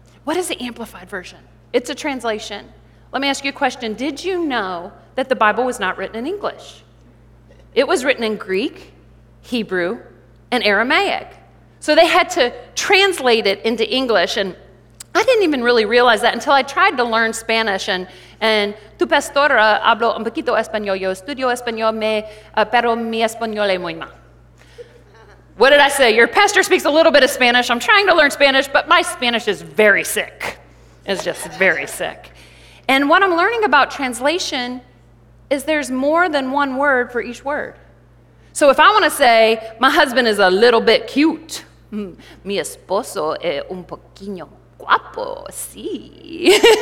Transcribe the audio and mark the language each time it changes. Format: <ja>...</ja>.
<en>What is the Amplified Version? It's a translation. Let me ask you a question. Did you know that the Bible was not written in English? It was written in Greek, Hebrew, and Aramaic. So they had to translate it into English. And I didn't even really realize that until I tried to learn Spanish.</en> <es>And tu pastora hablo un poquito español. Yo estudio español, pero mi español es muy mal.</es> <en>What did I say? Your pastor speaks a little bit of Spanish. I'm trying to learn Spanish, but my Spanish is very sick. It's just very sick. And what I'm learning about translation is there's more than one word for each word. So if I want to say, my husband is a little bit cute,</en> <es>mi esposo es un poquito guapo, sí.</es>